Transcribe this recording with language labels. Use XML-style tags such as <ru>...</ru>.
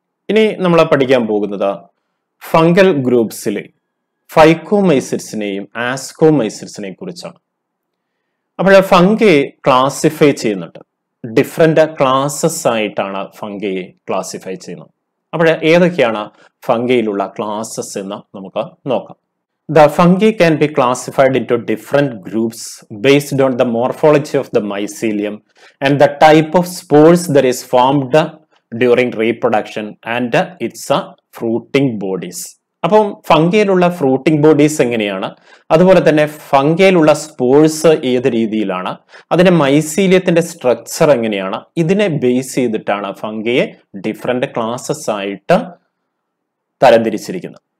<ml>ഇനി നമ്മൾ പഠിക്കാൻ പോകുന്നത് ഫംഗൽ ഗ്രൂപ്പ്സിൽ ഫൈക്കോമൈസിറ്റ്സിനെയും ആസ്കോമൈസിറ്റ്സിനെയും കുറിച്ചാണ്. അപ്പോൾ ഫംഗി ക്ലാസിഫൈ ചെയ്യുന്നുണ്ട്, ഡിഫറെൻ്റ് ക്ലാസസ് ആയിട്ടാണ് ഫംഗിയെ ക്ലാസിഫൈ ചെയ്യുന്നത്. അപ്പോൾ ഏതൊക്കെയാണ് ഫംഗിയിലുള്ള ക്ലാസസ് എന്ന് നമുക്ക് നോക്കാം.</ml> <en>The fungi can be classified into different groups based on the morphology of the mycelium and the type of spores that is formed during reproduction and its fruiting bodies.</en> <ml>അപ്പോൾ ഫംഗിയിലുള്ള fruiting bodies എങ്ങനെയാണ്, അതുപോലെ തന്നെ ഫംഗിയിലുള്ള spores ഏത് രീതിയിലാണ്, അതിൻ്റെ മൈസീലിയത്തിൻ്റെ structure എങ്ങനെയാണ്, ഇതിനെ base ചെയ്തിട്ടാണ് ഫംഗിയെ ഡിഫറെൻ്റ് ക്ലാസസ് ആയിട്ട് തരംതിരിച്ചിരിക്കുന്നത്.</ml>